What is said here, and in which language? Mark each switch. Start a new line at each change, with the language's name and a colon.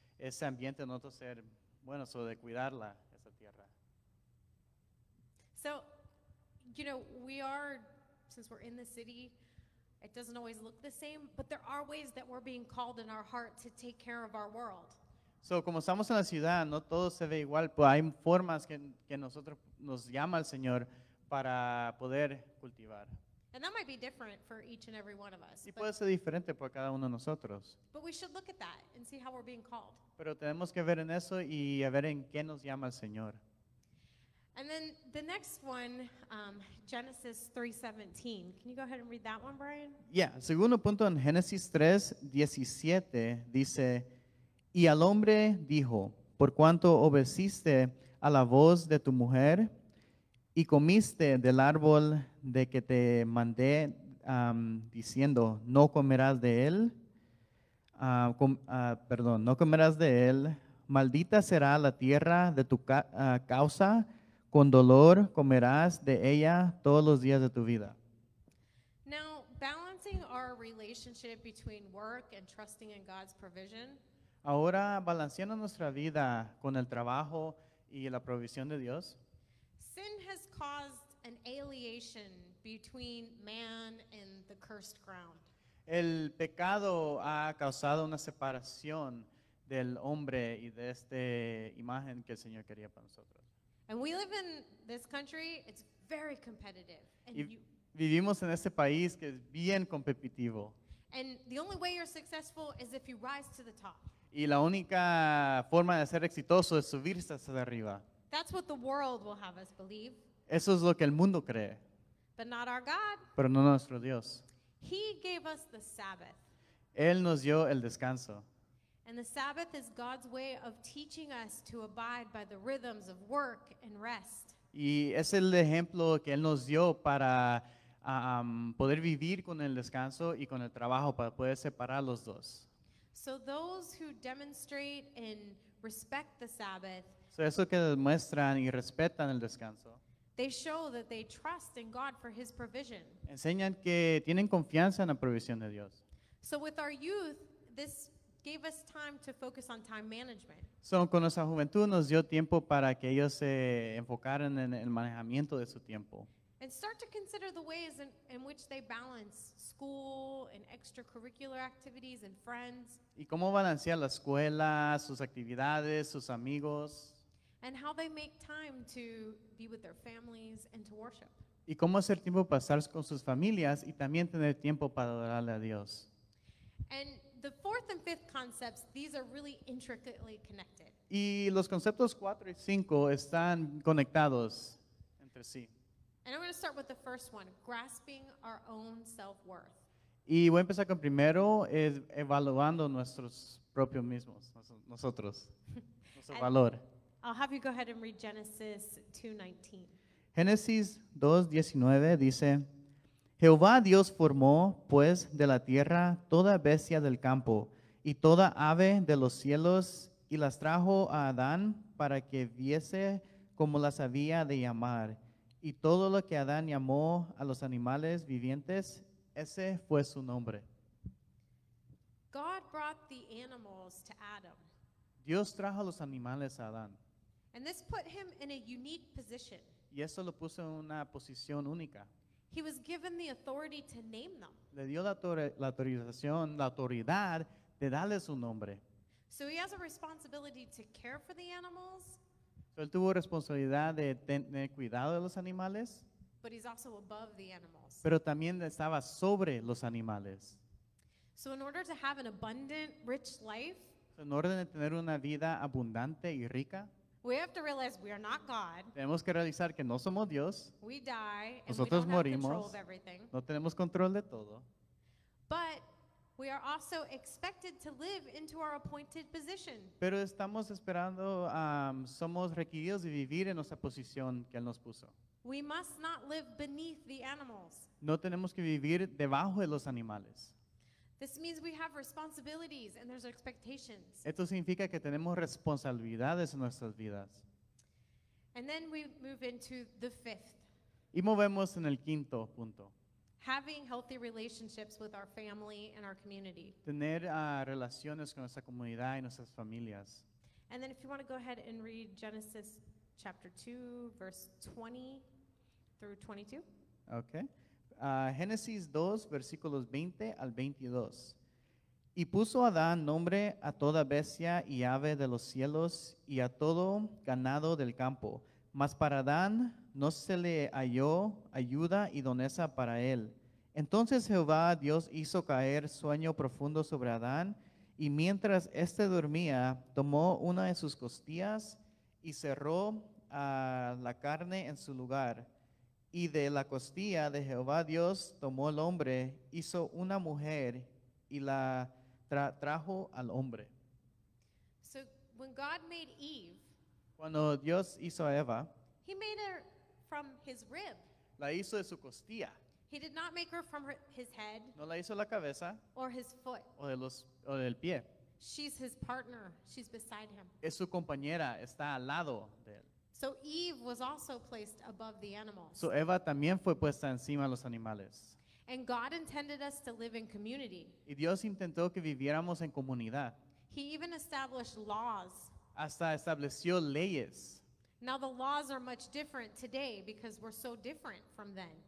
Spanish: ese ambiente en nosotros ser bueno, so de cuidarla, esa tierra.
English: So, you know, we are, since we're in the city, it doesn't always look the same, but there are ways that we're being called in our heart to take care of our world.
Spanish: So, como estamos en la ciudad, no todo se ve igual, pero hay formas que nosotros nos llama el Señor para poder cultivar.
English: And that might be different for each and every one of us.
Spanish: Y puede ser diferente por cada uno de nosotros.
English: But we should look at that and see how we're being called.
Spanish: Pero tenemos que ver en eso y a ver en qué nos llama el Señor.
English: And then the next one, Genesis 3:17. Can you go ahead and read that one, Brian?
Spanish: Yeah, segundo punto en Génesis 3:17 dice, y al hombre dijo, por cuanto obedeciste a la voz de tu mujer y comiste del árbol de que te mandé diciendo, no comerás de él, no comerás de él, maldita será la tierra de tu causa, con dolor comerás de ella todos los días de tu vida.
English: Now, balancing our relationship between work and trusting in God's provision.
Spanish: Ahora, balanceando nuestra vida con el trabajo y la provisión de Dios.
English: Sin has caused an alienation between man and the cursed ground.
Spanish: El pecado ha causado una separación del hombre y de esta imagen que el Señor quería para nosotros.
English: And we live in this country, it's very competitive. And
Spanish: vivimos en este país que es bien competitivo.
English: And the only way you're successful is if you rise to the top.
Spanish: Y la única forma de ser exitoso es subirse hasta arriba.
English: That's what the world will have us believe.
Spanish: Eso es lo que el mundo cree.
English: But not our God.
Spanish: Pero no nuestro Dios.
English: He gave us the Sabbath.
Spanish: Él nos dio el descanso.
English: And the Sabbath is God's way of teaching us to abide by the rhythms of work and rest.
Spanish: Y es el ejemplo que él nos dio para poder vivir con el descanso y con el trabajo, para poder separar los dos.
English: So those who demonstrate and respect the Sabbath,
Spanish: so eso que demuestran y respetan el descanso,
English: they show that they trust in God for his provision.
Spanish: Enseñan que tienen confianza en la provisión de Dios.
English: So with our youth, this gave us time to focus on time management.
Spanish: So, con nuestra juventud nos dio tiempo para que ellos se enfocaran en el manejamiento de su tiempo.
English: And start to consider the ways in which they balance school and extracurricular activities and friends.
Spanish: Y cómo balancean la escuela, sus actividades, sus amigos.
English: And how they make time to be with their families and to worship.
Spanish: Y cómo hacer tiempo para estar con sus familias y también tener tiempo para adorarle a Dios.
English: And the fourth and fifth concepts, these are really intricately connected.
Spanish: Y los conceptos 4 y 5 están conectados entre sí.
English: And I'm going to start with the first one, grasping our own self-worth.
Spanish: Y voy a empezar con primero, es evaluando nuestros propios mismos, nosotros, nuestro and valor.
English: I'll have you go ahead and read Genesis 2:19.
Spanish: Génesis 2:19 dice, Jehová Dios formó, pues, de la tierra toda bestia del campo y toda ave de los cielos y las trajo a Adán para que viese cómo las había de llamar. Y todo lo que Adán llamó a los animales vivientes, ese fue su nombre.
English: God brought the animals to Adam.
Spanish: Dios trajo los animales a Adán.
English: And this put him in a unique position.
Spanish: Y eso lo puso en una posición única.
English: He was given the authority to name them.
Spanish: Le dio la autoridad de darle su nombre.
English: So he has a responsibility to care for the animals.
Spanish: So él tuvo responsabilidad de tener cuidado de los animales.
English: But he's also above the animals.
Spanish: Pero también estaba sobre los animales.
English: So in order to have an abundant, rich life,
Spanish: en orden de tener una vida abundante y rica,
English: we have to realize we are not God.
Spanish: Tenemos que realizar que no somos Dios.
English: We die and
Spanish: nosotros
English: we don't
Spanish: morimos.
English: Have control of everything.
Spanish: No tenemos control de todo.
English: But we are also expected to live into our appointed position.
Spanish: Pero estamos esperando, somos requeridos de vivir en nuestra posición que Él nos puso.
English: We must not live beneath the animals.
Spanish: No tenemos que vivir debajo de los animales.
English: This means we have responsibilities and there's expectations.
Spanish: Esto significa que tenemos responsabilidades en nuestras vidas.
English: And then we move into the fifth.
Spanish: Y movemos en el quinto punto.
English: Having healthy relationships with our family and our community.
Spanish: Tener relaciones con nuestra comunidad y nuestras familias.
English: And then if you want to go ahead and read Genesis chapter 2, verse 20 through 22.
Spanish: Okay. Génesis 2, versículos 20 al 22. Y puso Adán nombre a toda bestia y ave de los cielos y a todo ganado del campo. Mas para Adán no se le halló ayuda idónea para él. Entonces Jehová Dios hizo caer sueño profundo sobre Adán, y mientras éste dormía, tomó una de sus costillas y cerró la carne en su lugar. Y de la costilla de Jehová Dios tomó el hombre, hizo una mujer y la trajo al hombre.
English: So when God made Eve,
Spanish: cuando Dios hizo a Eva,
English: he made her from his rib.
Spanish: La hizo de su costilla.
English: He did not make her from her, his head.
Spanish: No la hizo la cabeza.
English: Or his foot.
Spanish: O del pie.
English: She's his partner. She's beside him.
Spanish: Es su compañera. Está al lado de él.
English: So Eve was also placed above the animals.
Spanish: So Eva también fue puesta encima de los animales.
English: And God intended us to live in community.
Spanish: Y Dios intentó que viviéramos en comunidad.
English: He even established laws.
Spanish: Hasta estableció leyes.
English: Now the laws are much different today because we're so different from then.